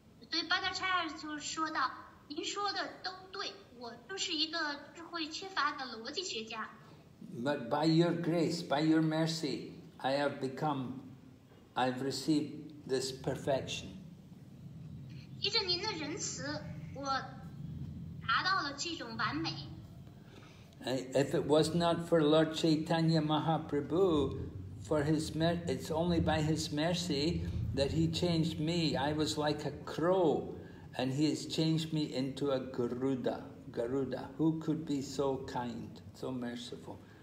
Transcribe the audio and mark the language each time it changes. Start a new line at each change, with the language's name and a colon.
Chinese: So Bhattacharya 就说道，您说的都对，我就是一个智慧缺乏的逻辑学家。
English: But by your grace, by your mercy, I've received this perfection.
Chinese: 依着您的仁慈，我达到了这种完美。
English: If it was not for Lord Chaitanya Mahaprabhu, it's only by his mercy that he changed me. I was like a crow, and he has changed me into a Garuda. Garuda, who could be so kind, so merciful?